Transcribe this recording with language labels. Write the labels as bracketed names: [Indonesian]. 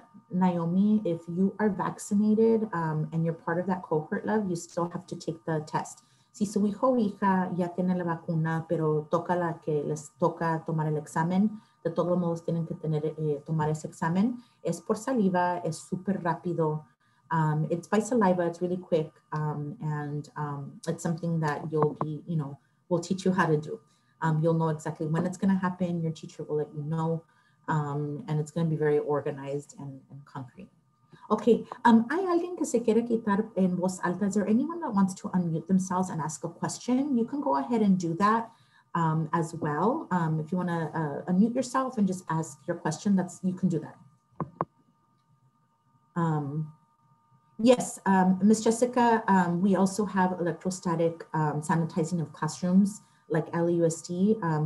[English] Naomi, if you are vaccinated and you're part of that cohort, love, you still have to take the test. [Spanish] Si su hijo o hija ya tiene la vacuna, pero toca la que les toca tomar el examen, de todos modos tienen que tener tomar ese examen. Es por saliva, es súper rápido. [English] It's by saliva, it's really quick, and it's something that you'll be, you know, we'll teach you how to do. You'll know exactly when it's going to happen, your teacher will let you know, and it's going to be very organized and concrete. [Spanish] Okay, hay alguien que se quiere quitar en voz alta? [English] Is there anyone that wants to unmute themselves and ask a question? You can go ahead and do that as well. If you want to unmute yourself and just ask your question, that's you can do that. Yes, Ms. Jessica, we also have electrostatic sanitizing of classrooms like LAUSD.